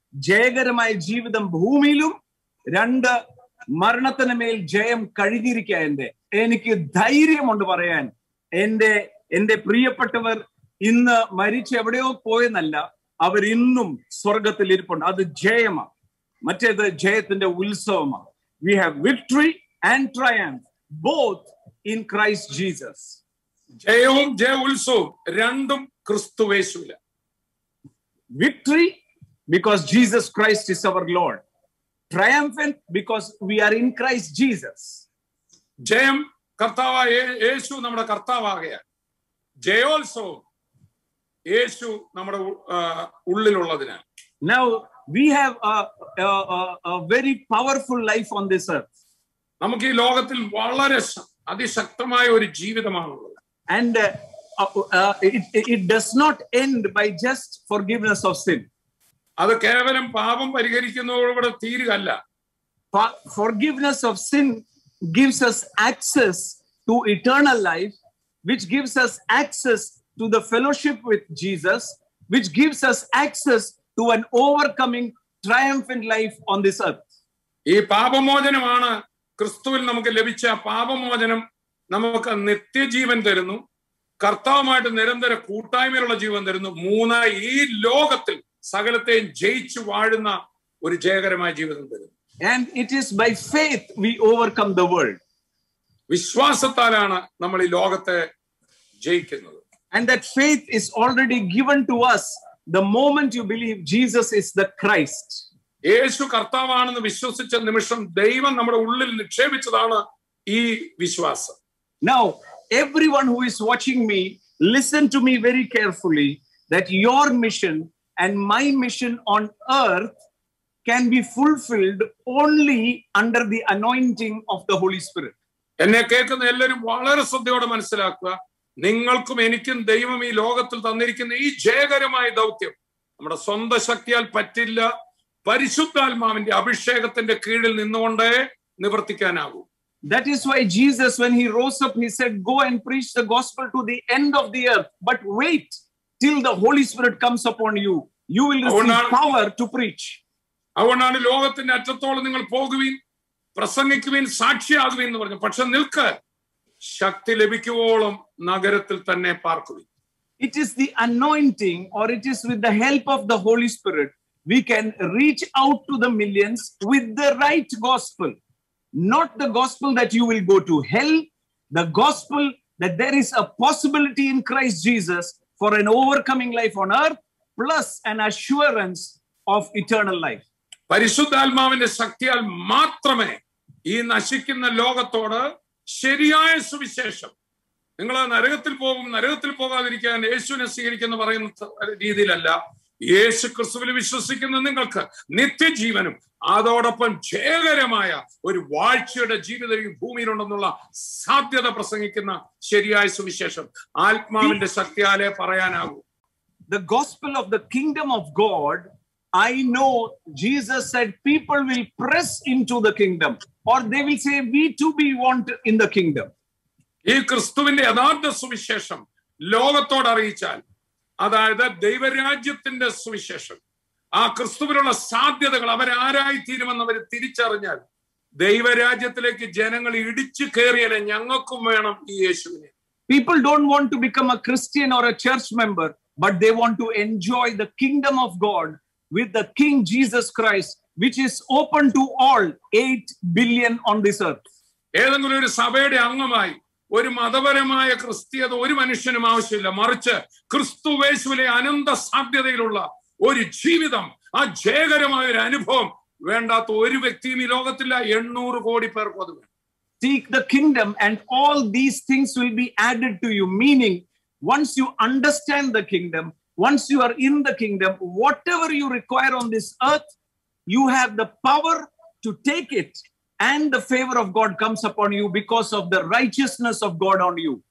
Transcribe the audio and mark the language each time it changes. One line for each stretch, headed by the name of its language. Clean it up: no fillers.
Malayalam: ജയകരമായ ജീവിതം ഭൂമിയിലും, രണ്ട്, മരണത്തിന് മേൽ ജയം കഴുകിയിരിക്കുക. എന്റെ എനിക്ക് ധൈര്യമുണ്ട് പറയാൻ, എന്റെ പ്രിയപ്പെട്ടവർ ഇന്ന് മരിച്ച് എവിടെയോ പോയെന്നല്ല, അവരിന്നും സ്വർഗത്തിൽ ഇരിപ്പുണ്ട്. അത് ജയമാണ്. മറ്റേത് ജയത്തിന്റെ ഉത്സവമാണ്.
English: We have victory and triumph both in Christ Jesus.
Malayalam: ജയവും ജയ ഉത്സവം രണ്ടും ക്രിസ്തുവേശുവില.
English: Victory because Jesus Christ is our Lord. Triumphant because we are in Christ Jesus.
Malayalam: ജയം കർത്താവായ യേശു നമ്മുടെ കർത്താവാകയാൽ, ജയോത്സവം യേശു നമ്മുടെ ഉള്ളിലുള്ളതിനാൽ.
English: Now we have a very powerful life on this earth.
Malayalam: നമുക്ക് ഈ ലോകത്തിൽ വളരെ അതിശക്തമായ ഒരു ജീവിതമാണുള്ളത്.
English: And it does not end by just forgiveness of sin.
Malayalam: അത് കേവലം പാപം പരിഹരിക്കുന്നതോടെ തീരുകയല്ല.
English: Forgiveness of sin gives us access to eternal life, which gives us access to the fellowship with Jesus, which gives us access to an overcoming, triumphant life on this earth.
Malayalam: ഈ പാപമോചനമാണ് ക്രിസ്തുവിൽ നമുക്ക് ലഭിച്ച. പാപമോചനം നമുക്ക് നിത്യജീവൻ തരുന്നു, കർത്താവുമായിട്ട് നിരന്തര കൂട്ടായ്മയിലുള്ള ജീവൻ തരുന്നു. മൂന്ന്, ഈ ലോകത്തിൽ സകലത്തെയും ജയിച്ചു വാഴുന്ന ഒരു ജയകരമായ ജീവിതം തരുന്നു.
English: And it is by faith we overcome the world.
Malayalam: വിശ്വാസത്താലാണ് നമ്മൾ ഈ ലോകത്തെ ജയിക്കുന്നത്.
English: And that faith is already given to us the moment you believe Jesus is the Christ.
Malayalam: യേശു കർത്താവാണെന്ന് വിശ്വസിച്ച നിമിഷം ദൈവം നമ്മുടെ ഉള്ളിൽ നിക്ഷേപിച്ചതാണ് ഈ വിശ്വാസം.
English: Now everyone who is watching me, listen to me very carefully, that your mission and my mission on earth can be fulfilled only under the anointing of the Holy Spirit.
Malayalam: എന്നെ കേൾക്കുന്ന എല്ലാവരും വളരെ ശ്രദ്ധയോടെ മനസ്സിലാക്കുക, നിങ്ങൾക്കും എനിക്കും ദൈവം ഈ ലോകത്തിൽ തന്നിരിക്കുന്ന ഈ ജയകരമായ ദൗത്യം നമ്മുടെ സ്വന്തം ശക്തിയാൽ പറ്റില്ല, പരിശുദ്ധാത്മാവിന്റെ അഭിഷേകത്തിന്റെ കീഴിൽ നിന്നുകൊണ്ടേ നിവർത്തിക്കാനാകൂ.
English: That is why Jesus, when he rose up, he said, go and preach the gospel to the end of the earth, but wait till the Holy Spirit comes upon you. You will receive power to preach.
Malayalam: അവനാണ് ലോകത്തിന്റെ അറ്റത്തോളം നിങ്ങൾ പോകുവിൻ, പ്രസംഗിക്കുവിൻ, സാക്ഷിയാകുവിൻ എന്ന് പറഞ്ഞു. പക്ഷെ നിൽക്ക്, ശക്തി ലഭിക്കുവോളം നഗരത്തിൽ തന്നെ പാർക്കുവിൻ.
English: It is the anointing, or it is with the help of the Holy Spirit, we can reach out to the millions with the right gospel, not the gospel that you will go to hell, the gospel that there is a possibility in Christ Jesus for an overcoming life on earth plus an assurance of eternal life.
Malayalam: പരിശുദ്ധാത്മാവിന്റെ ശക്തിയാൽ മാത്രമേ ഈ നശിക്കുന്ന ലോകത്തോട് ശരിയായ സുവിശേഷം, നിങ്ങൾ നരകത്തിൽ പോകും നരകത്തിൽ പോകാതിരിക്കാൻ യേശുവിനെ സ്വീകരിക്കുന്നു പറയുന്ന രീതിയിലല്ല, യേശു ക്രിസ്തുവിൽ വിശ്വസിക്കുന്ന നിങ്ങൾക്ക് നിത്യജീവനും അതോടൊപ്പം ജയകരമായ ഒരു വാഴ്ചയുടെ ജീവിതം ഈ ഭൂമിയിലുണ്ടെന്നുള്ള സാധ്യത പ്രസംഗിക്കുന്ന ശരിയായ സുവിശേഷം ആത്മാവിന്റെ ശക്തിയാലേ പറയാനാകൂ.
English: The gospel of the kingdom of God, I know Jesus said people will press into the kingdom or they will say we too be want in the kingdom.
Malayalam: ഈ ക്രിസ്തുവിന്റെ യഥാർത്ഥ സുവിശേഷം ലോകത്തോട് അറിയിച്ചാൽ, അതായത് ദൈവരാജ്യത്തിന്റെ സുവിശേഷം, ആ ക്രിസ്തുവിനുള്ള സാധ്യതകൾ അവരാരായിത്തീരുമെന്ന് അവർ തിരിച്ചറിഞ്ഞാൽ ദൈവരാജ്യത്തിലേക്ക് ജനങ്ങൾ ഇടിച്ചു കയറിയാലേ ഞങ്ങൾക്കും വേണം ഈ യേശുവിനെ.
English: People don't want to become a Christian or a church member, but they want to enjoy the kingdom of God with the King Jesus Christ, which is open to all 8 billion on this earth.
Malayalam: ഏതെങ്കിലും ഒരു സഭയുടെ അംഗമായി ഒരു മതപരമായ ക്രിസ്തീയത ഒരു മനുഷ്യനും ആവശ്യമില്ല, മറിച്ച് ക്രിസ്തു യേശുവിലെ അനന്ത സാധ്യതയിലുള്ള ഒരു ജീവിതം, ആ ജയകരമായ ഒരു അനുഭവം വേണ്ടാത്ത ഒരു വ്യക്തിയും ഈ ലോകത്തില്ല. 800 കോടി പേർക്ക് അത് വേണം.
English: Seek the kingdom and all these things will be added to you, meaning once you understand the kingdom, once you are in the kingdom, whatever you require on this earth, you have the power to take it and the favor of God comes upon you because of the righteousness of God on you.